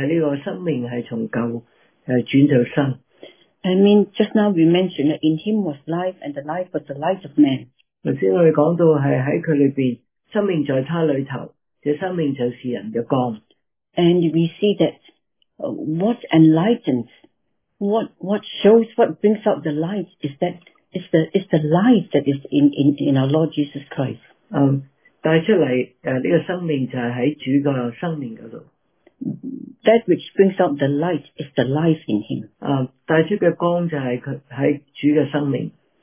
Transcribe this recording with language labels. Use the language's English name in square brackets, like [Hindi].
[Chinese] 約翰呢,好想我們認識就是這個生命是從舊轉到新。 [English] I mean, just now we mentioned that in him was life and the life was the light of man. [Chinese] 剛才我們講到是在他裡面,生命在他裡頭,這生命就是人的光。 [English] And we see that what enlightens, what shows, what brings out the light is that it's the life that is in our Lord Jesus Christ. [Chinese] 帶出來這個生命就是在主的生命那裡。 [English] That which brings out the light is the life in him. [Chinese] 帶出的光就是在主的生命。